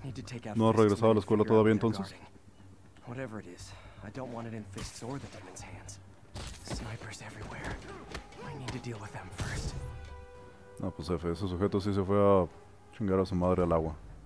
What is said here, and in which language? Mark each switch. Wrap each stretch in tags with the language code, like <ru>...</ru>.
<en>Need to take out.</en> <es>No ha regresado a la escuela todavía entonces.</es> <en>Whatever it is, I don't want it in Fisk's or the demons' hands. Snipers everywhere. I need to deal with them first.</en> <es>No, pues jefe, ese sujeto sí se fue a chingar a su madre al agua.</es>